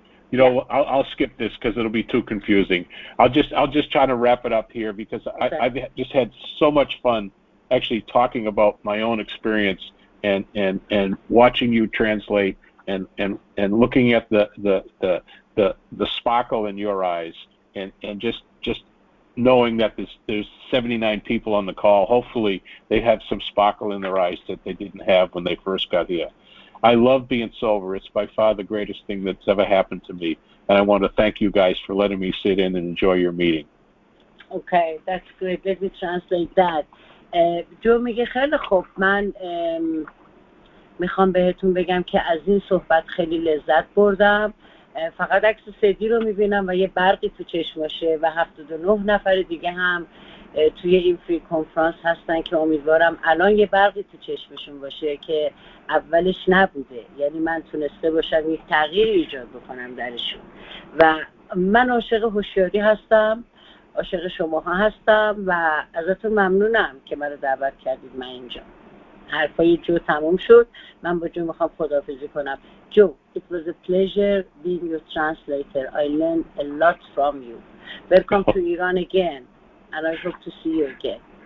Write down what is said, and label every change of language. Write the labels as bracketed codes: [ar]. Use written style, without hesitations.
[en] You know, I'll skip this because it'll be too confusing. I'll just try to wrap it up here because I've just had so much fun actually talking about my own experience and watching you translate and looking at the sparkle in your eyes and just knowing that there's 79 people on the call. Hopefully they have some sparkle in their eyes that they didn't have when they first got here. I love being sober. It's by far the greatest thing that's ever happened to me. And I want to thank you guys for letting me sit in and enjoy your meeting. Okay, that's good. Let me translate that. Joe [fa] میگه خیلی خوب. من میخوام بهتون بگم که از این صحبت خیلی لذت بردم. فقط عکس سدی رو میبینم و یه برقی تو چشماشه و 79 نفر دیگه هم توی این فری کنفرانس هستن که امیدوارم الان یه برقی تو چشمشون باشه که اولش نبوده، یعنی من تونسته باشم یک تغییر ایجاد بکنم درشون. و من عاشق هوشیاری هستم، عاشق شماها هستم و ازتون ممنونم که منو دعوت کردید. من اینجا حرفای جو تموم شد، من با جو میخوام خداحافظی کنم. [en] Joe, it was a pleasure being your translator. I learned a lot from you. Welcome to Iran again. And I hope to see you again.